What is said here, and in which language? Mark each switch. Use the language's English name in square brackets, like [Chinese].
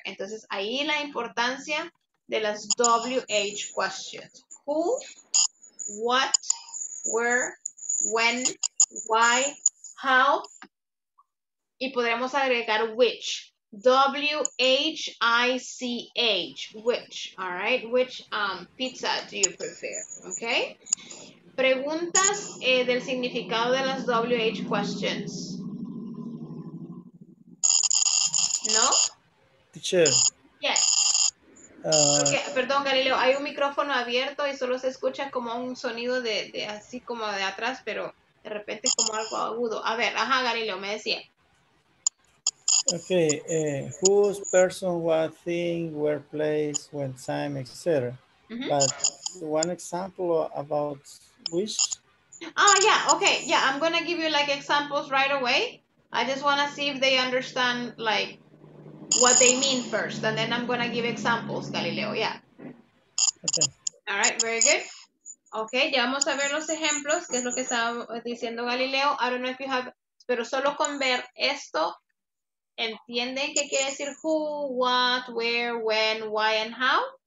[Spanish] Entonces, ahí la importancia de las WH questions. [English] Who, what, where, when, why, how, y podremos agregar which, W-H-I-C-H, which, all right, which pizza do you prefer, okay? [Spanish] Preguntas del significado de las WH questions. No? [English] Teacher. Yes. [Spanish] Okay, perdón, Galileo, hay un micrófono abierto y solo se escucha como un sonido de así como de atrás, pero de repente como algo agudo. A ver, ajá, Galileo, me decía. [English] Ok, whose person, what thing, where place, when time, etc. Mm-hmm. But one example about which? Ah, yeah, okay, yeah, I'm going to give you like examples right away. I just want to see if they understand like what they mean first, and then I'm going to give examples, Galileo, yeah. Okay. All right, very good. [Spanish] Okay, ya vamos a ver los ejemplos, que es lo que estaba diciendo Galileo. I don't know if you have, pero solo con ver esto, ¿entienden qué quiere decir who, what, where, when, why, and how?